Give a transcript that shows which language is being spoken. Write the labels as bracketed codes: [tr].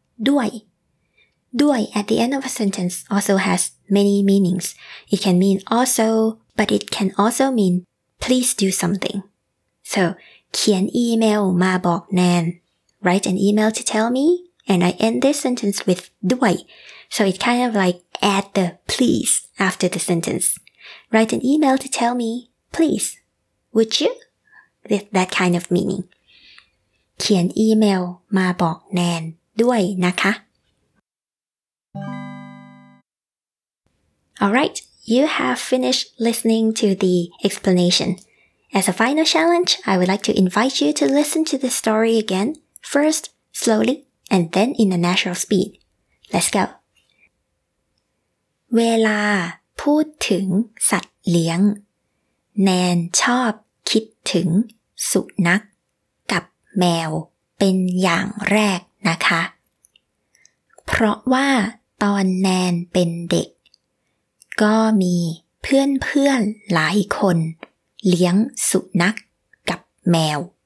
[en] ด้วย at the end of a sentence also has many meanings it can mean also but it can also mean please do something so เขียนอีเมลมาบอกแนน write an email to tell me and I end this sentence with ด้วย so it kind of like add the pleaseAfter the sentence, write an email to tell me, please, would you? With that kind of meaning. เขียนอีเมลมาบอกแนนด้วยนะคะ Alright, you have finished listening to the explanation. As a final challenge, I would like to invite you to listen to the story again, first slowly, and then in a natural speed. Let's go. [th] เวลาพูดถึงสัตว์เลี้ยงแนนชอบคิดถึงสุนัขกับแมวเป็นอย่างแรกนะคะเพราะว่าตอนแนนเป็นเด็กก็มีเพื่อนๆหลายคนเลี้ยงสุนัขกับแมว